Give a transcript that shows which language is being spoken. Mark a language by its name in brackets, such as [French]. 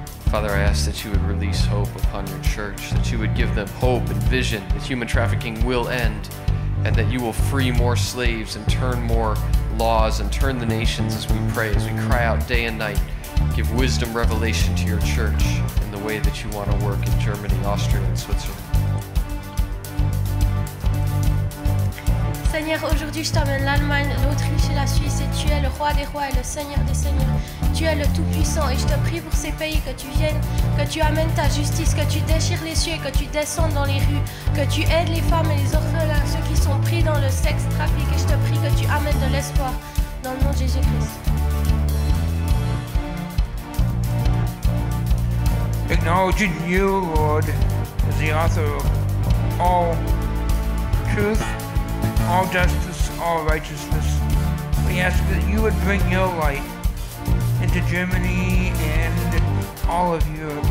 [English] Father, I ask that you would release hope upon your church, that you would give them hope and vision that human trafficking will end, and that you will free more slaves and turn more laws and turn the nations as we pray, as we cry out day and night. Give wisdom, revelation to your church in the way that you want to work in Germany, Austria, and Switzerland. [French] Seigneur, aujourd'hui je t'emmène l'Allemagne, l'Autriche et la Suisse et tu es le roi des rois et le seigneur des seigneurs. Tu es le tout-puissant et je te prie pour ces pays que tu viennes, que tu amènes ta justice, que tu déchires les cieux et que tu descendes dans les rues, que tu aides les femmes et les orphelins, ceux qui sont pris dans le sex trafic et je te prie que tu amènes de l'espoir dans le nom de Jésus-Christ. [English] Acknowledging you, Lord, as the author of all truth, all justice, all righteousness, we ask that you would bring your light into Germany and all of you.